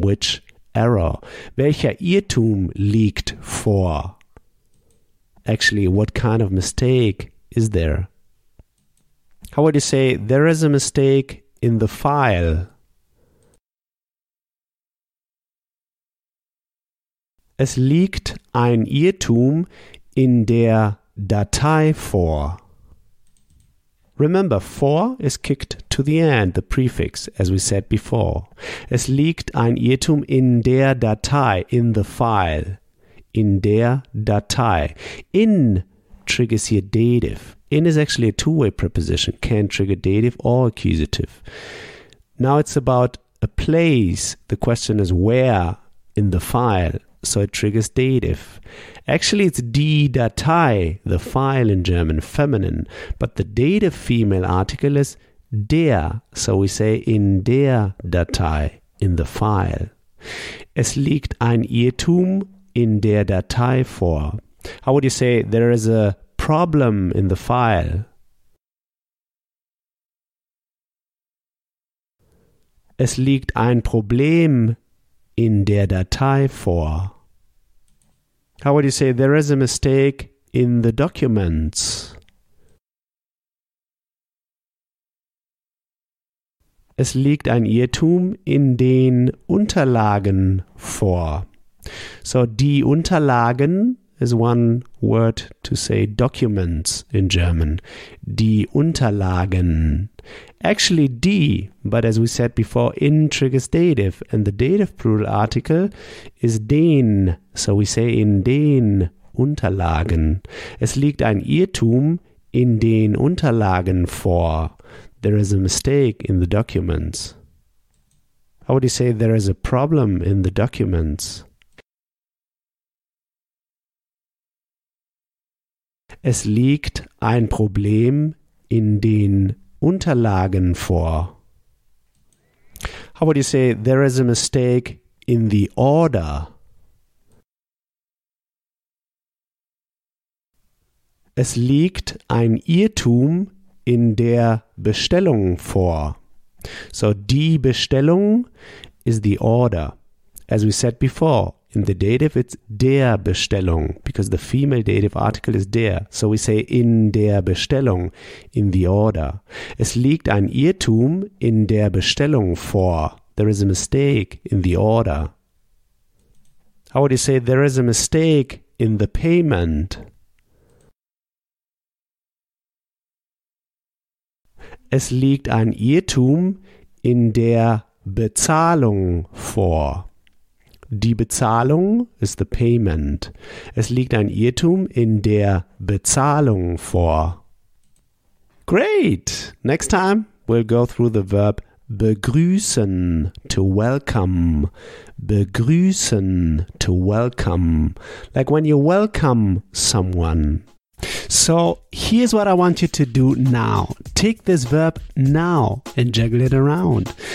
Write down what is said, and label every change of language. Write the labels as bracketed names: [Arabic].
[English] Which error. [German] Welcher Irrtum liegt vor? [English] Actually, what kind of mistake is there? How would you say, there is a mistake in the file? [German] Es liegt ein Irrtum in der Datei vor. [English] Remember, vor is kicked to the end, the prefix, as we said before. [German] Es liegt ein Irrtum in der Datei, [English] in the file. [German] In der Datei. [English] In triggers here dative. In is actually a two-way preposition, can trigger dative or accusative. Now it's about a place. The question is where in the file. So it triggers dative. Actually, it's die Datei, the file in German, feminine. But the dative female article is der. So we say [German] in der Datei, [English] in the file. [German] Es liegt ein Irrtum in der Datei vor. [English] How would you say there is a problem in the file? [German] Es liegt ein Problem in der Datei vor. [English] How would you say there is a mistake in the documents? [German] Es liegt ein Irrtum in den Unterlagen vor. [English] So, die Unterlagen is one word to say documents in German. [German] Die Unterlagen. [English] Actually, die, but as we said before, in triggers dative, and the dative plural article is den. So we say [German] in den Unterlagen. Es liegt ein Irrtum in den Unterlagen vor. [English] There is a mistake in the documents. How would you say there is a problem in the documents? [German] Es liegt ein Problem in den Unterlagen vor. [English] How would you say there is a mistake in the order? [German] Es liegt ein Irrtum in der Bestellung vor. [English] So, die Bestellung is the order. As we said before, in the dative, it's der Bestellung, because the female dative article is der. So we say [German] in der Bestellung, [English] in the order. [German] Es liegt ein Irrtum in der Bestellung vor. [English] There is a mistake in the order. How would you say there is a mistake in the payment? [German] Es liegt ein Irrtum in der Bezahlung vor. Die Bezahlung [English] is the payment. [German] Es liegt ein Irrtum in der Bezahlung vor. [English] Great! Next time we'll go through the verb begrüßen, to welcome. Begrüßen, to welcome. Like when you welcome someone. So here's what I want you to do now. Take this verb now and juggle it around.